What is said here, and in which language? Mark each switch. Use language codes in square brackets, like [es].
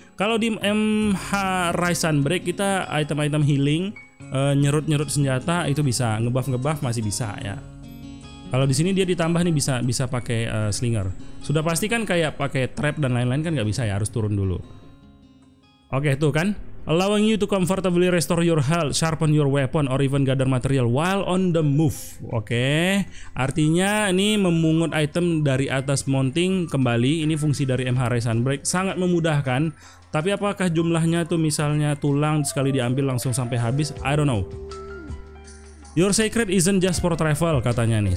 [id] Kalau di MH Rise Sunbreak kita item-item healing, nyerut-nyerut senjata itu bisa, ngebuff-ngebuff masih bisa ya. Kalau di sini dia ditambah nih bisa pakai slinger. Sudah pasti kan kayak pakai trap dan lain-lain kan nggak bisa ya, harus turun dulu. Oke, tuh kan. [en] Allowing you to comfortably restore your health, sharpen your weapon, or even gather material while on the move. [id] Oke, okay. Artinya ini memungut item dari atas mounting kembali. Ini fungsi dari MH Sunbreak, sangat memudahkan. Tapi apakah jumlahnya tuh misalnya tulang sekali diambil langsung sampai habis? [en] I don't know. Your sacred isn't just for travel, [id] katanya nih.